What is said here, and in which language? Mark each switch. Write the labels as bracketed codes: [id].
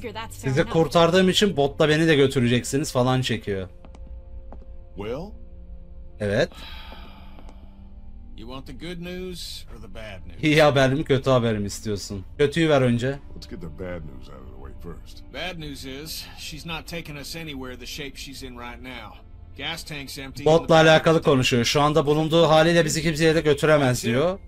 [tr] Sizi kurtardığım için botla beni de götüreceksiniz falan çekiyor. [en] Will? [tr] Evet. [en] You want the good news or the bad news? [tr] İyi haber mi, kötü haber mi istiyorsun? Kötüyü ver önce. [en] Let's get the bad news out of the way first. Bad news is she's not taking us anywhere the shape she's in right now. Gas tank's empty. [tr] Botla alakalı konuşuyor. Şu anda bulunduğu haliyle bizi kimseye de götüremez diyor.